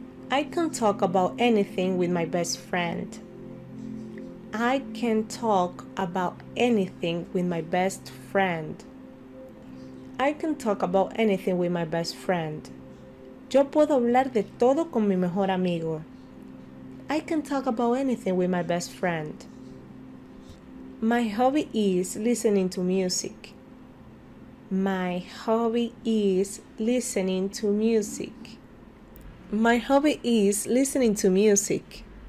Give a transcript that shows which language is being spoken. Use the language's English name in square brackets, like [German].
[English] I can talk about anything with my best friend. I can talk about anything with my best friend. I can talk about anything with my best friend. [Spanish] Yo puedo hablar de todo con mi mejor amigo. [English] I can talk about anything with my best friend. My hobby is listening to music. My hobby is listening to music. My hobby is listening to music.